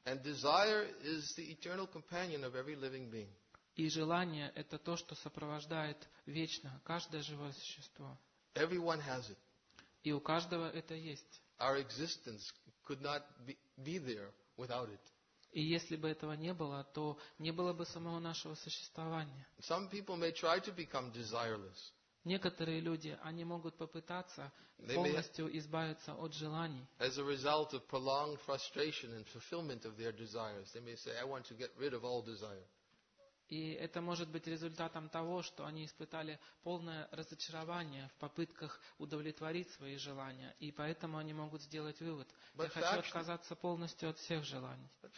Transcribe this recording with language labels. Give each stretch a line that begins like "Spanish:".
English: And desire is the eternal companion of every living being.
Russian: И желание это то, что сопровождает вечно каждое живое существо.
English: Everyone has it.
Russian: И у каждого это есть.
English: Our existence could not be there without it.
Russian: И если бы этого не было, то не было бы самого нашего существования.
English: Some people may try to become desireless.
Russian: Некоторые люди, они могут попытаться полностью избавиться от желаний.
English: As a result of prolonged frustration and fulfillment of their desires, they may say, "I want to get rid of all desire."
Russian: И это может быть результатом того, что они испытали полное разочарование в попытках удовлетворить свои желания. И поэтому они могут сделать вывод. Я хочу отказаться полностью от всех желаний.